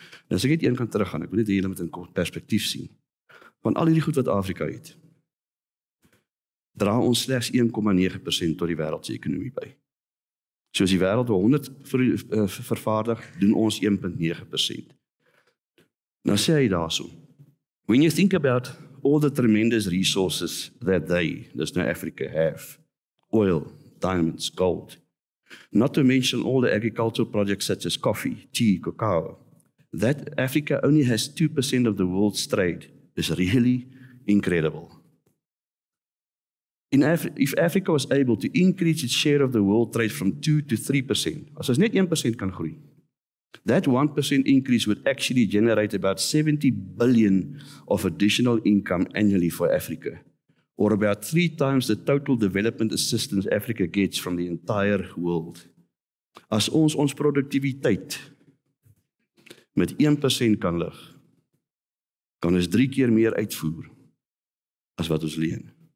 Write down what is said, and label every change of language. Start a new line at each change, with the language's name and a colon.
Afrikaans: En as ek het een kant terug gaan, ek wil dit hier met een kort perspektief sien. Van al hierdie goed wat Afrika het, dra ons slechts 1,9% tot die wêreldse ekonomie by. So as die wêreld 100 vervaardig, doen ons 1,9%. Nou sê hy daarso,
English: when you think about all the tremendous resources that they, this nou Africa, have, oil, diamonds, gold, not to mention all the agricultural projects such as coffee, tea, cacao, that Africa only has 2% of the world's trade is really incredible. If Africa was able to increase its share of the world trade from 2 to 3%,
Afrikaans: as ons net 1% kan groei,
English: that 1% increase would actually generate about 70 billion of additional income annually for Africa, or about 3 times the total development assistance Africa gets from the entire world.
Afrikaans: As ons produktiwiteit met 1% kan lig, kan ons 3 keer meer uitvoer as wat ons leen.